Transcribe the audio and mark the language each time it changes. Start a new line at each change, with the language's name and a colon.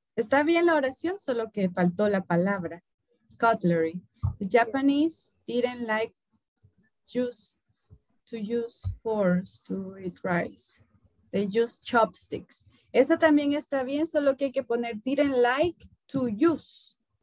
Spanish: Está bien la oración, solo que faltó la palabra.
English: Cutlery. The Japanese didn't like to use forks to eat rice. They use chopsticks.
Spanish: Esa también está bien, solo que hay que poner
English: didn't like to use.